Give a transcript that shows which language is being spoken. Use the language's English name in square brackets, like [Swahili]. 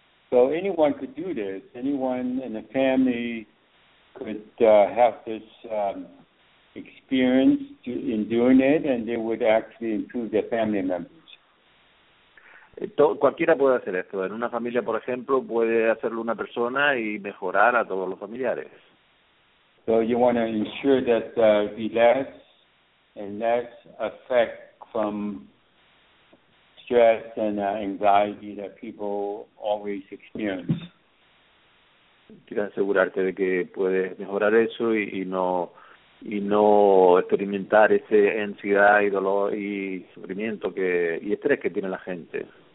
[English] So anyone could do this. Anyone in the family could have this experience in doing it, and they would actually improve their family members. [Spanish] Cualquiera puede hacer esto. En una familia, por ejemplo, puede hacerlo una persona y mejorar a todos los familiares. [English] So you want to ensure that there be less and less effect from stress and anxiety that people always experience. [Spanish] Quiero asegurarte de que puedes mejorar eso y no experimentar ese ansiedad y dolor y sufrimiento y estrés que tiene la gente.